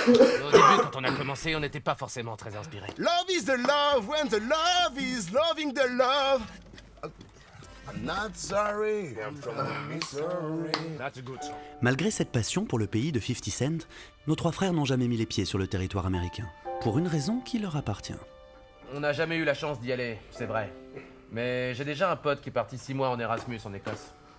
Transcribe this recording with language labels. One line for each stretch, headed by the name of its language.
French: Au début, quand on a commencé, on n'était pas forcément très inspiré.
English: Love is the love when the love is loving the love. I'm not sorry. I'm from Missouri. That's a good song.
French: Malgré cette passion pour le pays de 50 Cent, nos trois frères n'ont jamais mis les pieds sur le territoire américain. Pour une raison qui leur appartient. On n'a jamais eu la chance d'y aller, c'est vrai. Mais j'ai déjà un pote qui est parti 6 mois en Erasmus en Écosse.